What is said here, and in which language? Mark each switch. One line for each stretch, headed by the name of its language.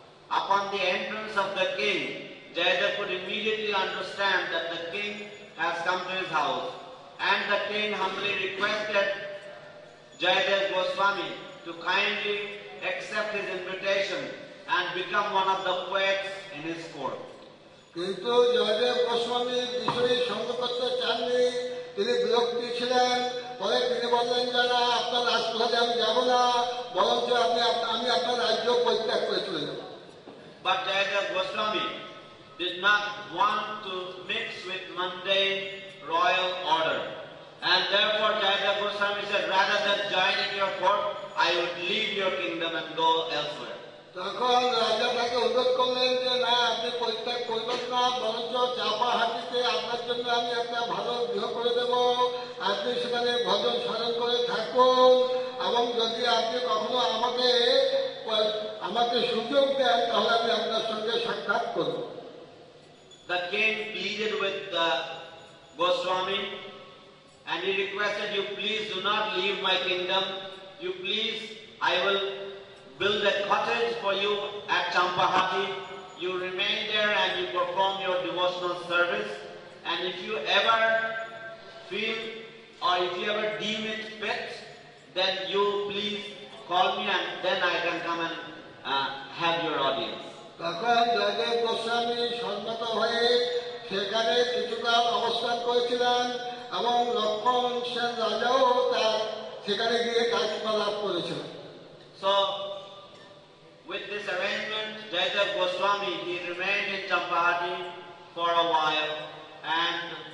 English: Upon the entrance of the king, Jayadev could immediately understand that the king has come to his house, and the king humbly requested Jayadev Goswami to kindly accept his invitation and become one of the poets in his court.
Bangla: কিন্তু জয়দেব গোস্বামী কিশোরী সঙ্গ করতে চাননি, তিনি বিরক্তি ছিলেন। পরে তিনি বললেন যে না, আপনার রাজপ্রাসাদে আমি যাব না, বরঞ্চ আমি আপনার রাজ্য পরিত্যাগ করে চলে যাব।
English: But Jayadev Goswami did not want to mix with mundane royal order. And therefore Jayadev Goswami said, rather than join in your court, I would leave your kingdom and go elsewhere.
Bangla: তখন রাজা তাকে অনুরোধ করলেন যে না, আপনি পরিত্যাগ করবেন না, বরঞ্চ চাপাহাটিতে আপনার জন্য আমি একটা ভালো গৃহ করে দেব, আপনি সেখানে ভজন স্মরণ করে থাকুন, এবং যদি আপনি কখনো আমাকে আমাকে সুযোগ দেন তাহলে আমি আপনার সঙ্গে সাক্ষাৎ করব।
English: The king pleaded with the Goswami and he requested, you please do not leave my kingdom, you please, I will build a cottage for you at Champahati, you remain there and you perform your devotional service, and if you ever feel or if you ever deem it fit, then you please call me and then I can come and have your audience.
Bangla: তখন জয়দেব গোস্বামী সম্মত হয়ে সেখানে কিছুকাল অবস্থান করেছিলেন এবং লক্ষ্মণ সেন রাজাও তার সেখানে গিয়ে কার্যকাল লাভ করেছিল।
English: So, with this arrangement, Jayadev Goswami, he remained in Champahati for a while, and